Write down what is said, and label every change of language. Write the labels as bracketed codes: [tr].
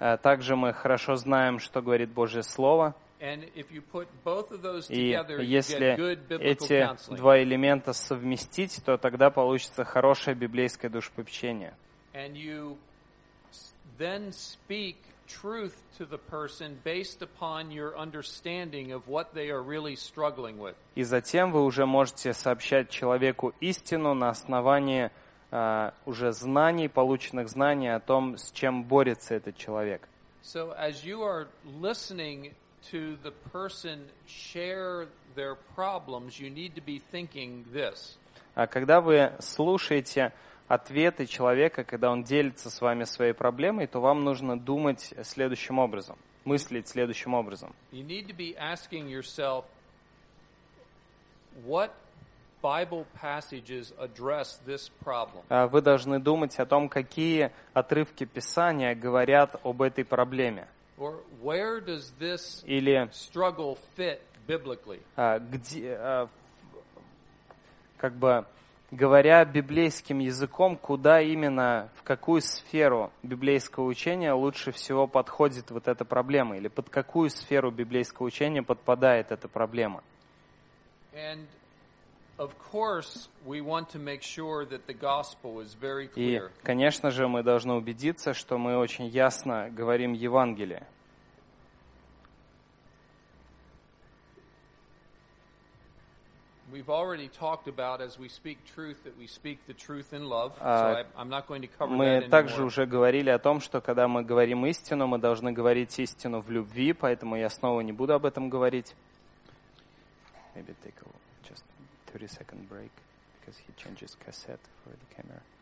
[ru] И также мы хорошо знаем, что говорит Божье слово. [en] And if you put both of those together, [ru] и если [en] you get good biblical [ru] эти [en] counseling. [ru] Два элемента совместить, то тогда получится хорошее библейское душепопечение. [en] And you then speak truth to the person based upon your understanding of what they are really struggling with. [ru] И затем вы уже можете сообщать человеку истину на основании уже знаний, полученных знаний о том, с чем борется этот человек. [en] So as you are listening to the person share their problems, you need to be thinking this. [ru] Когда вы слушаете ответы человека, когда он делится с вами своей проблемой, то вам нужно думать следующим образом, мыслить следующим образом. [en] You need to be asking yourself, what Bible passages address this problem? [ru] Вы должны думать о том, какие отрывки Писания говорят об этой проблеме. [en] Or where does this [ru] Или, [en] struggle fit biblically? [ru] Где, как бы говоря библейским языком, куда именно, в какую сферу библейского учения лучше всего подходит вот эта проблема? Или под какую сферу библейского учения подпадает эта проблема? [en] And of course, we want to make sure that the gospel is very clear. [ru] И, конечно же, мы должны убедиться, что мы очень ясно говорим Евангелие. [en] We We've already talked about as we speak truth that we speak the truth in love. So I'm not going to cover that anymore. [ru] Мы также уже говорили о том, что когда мы говорим истину, мы должны говорить истину в любви, поэтому я снова не буду об этом говорить. [en] Maybe take a just 30 second break because he changes cassette for the camera.